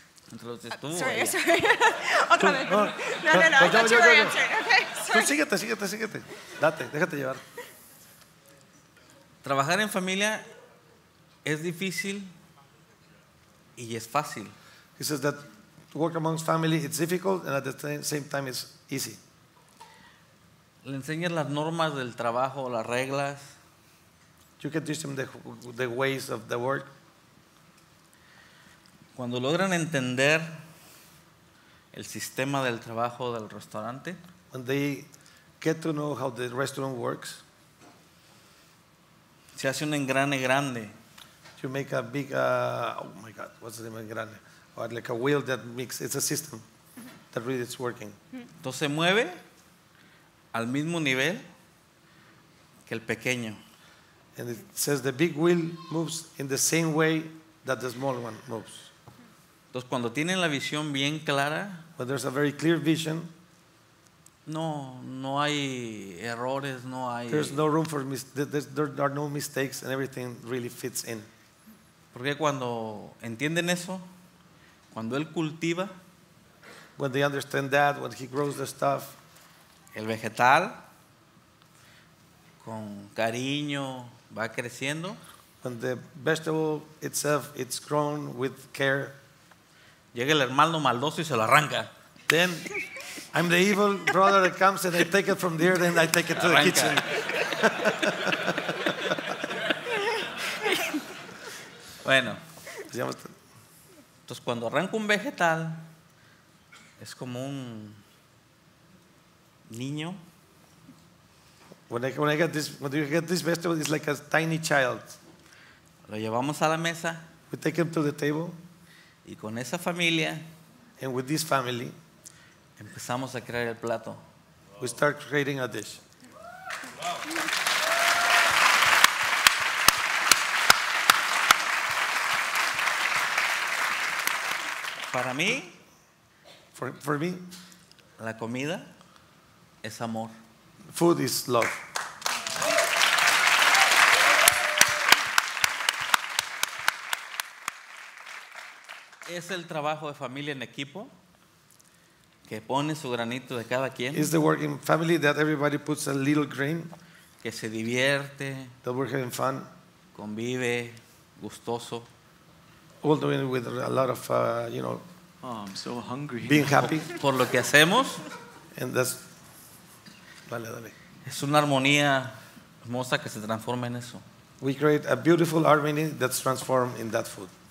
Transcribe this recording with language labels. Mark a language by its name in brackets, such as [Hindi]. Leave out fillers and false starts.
[Spanish] Entre los testigos. [English] Sorry, sorry. [Spanish] Otra vez. [English] No, I thought you were answering. Okay, [Spanish] tú síguete. Date, déjate llevar. Trabajar en familia es difícil y es fácil. [English] He says that to work amongst family it's difficult and at the same time it's easy. [Spanish] Le enseñas las normas del trabajo, las reglas. [English] You can teach them the ways of the work. [Spanish] Cuando logran entender el sistema del trabajo del restaurante, [English] when they get to know how the restaurant works, [Spanish] se hace un engrane grande. [English] You make a big oh my God, what's the name, engrane? Or like a wheel that makes, it's a system that really is working. [Spanish] Entonces se mueve al mismo nivel que el pequeño. [English] And it says the big wheel moves in the same way that the small one moves. [Spanish] Entonces cuando tienen la visión bien clara, [English] when there's a very clear vision, [Spanish] no hay errores, no hay. [English] There's no room for mistakes. There are no mistakes, and everything really fits in. [Spanish] Porque cuando entienden eso, cuando él cultiva, [English] when they understand that, when he grows the stuff, [Spanish] el vegetal con cariño va creciendo. [English] When the vegetable itself it's grown with care. [Spanish] Llega el hermano maldoso y se lo arranca. [English] Then I'm the evil brother that comes and I take it from there, then I take it to [Spanish] arranca. [English] The kitchen. [Spanish] Bueno. Entonces cuando arranca un vegetal es como un niño. [English] When I get this vegetable, it's like a tiny child. [Spanish] Lo llevamos a la mesa. [English] We take him to the table. [Spanish] Y con esa familia, [English] and with this family, [Spanish] empezamos a crear el plato. [English] Wow. We start creating a dish. [Spanish] Para mí, [English] for me, [Spanish] la comida es amor. [English] Food is love. [Spanish] Es el trabajo de familia en equipo que pone su granito de cada quien. [English] It's the working family that everybody puts a little grain. [Spanish] Que se divierte. [English] That we're having fun. [Spanish] Convive, gustoso. [English] All doing with a lot of, you know. Oh, I'm so hungry. Being happy. [Spanish] Por lo que hacemos. [English] And that's. [Spanish] Dale. Es una armonía hermosa que se transforma en eso. [English] We create a beautiful harmony that's transformed in that food.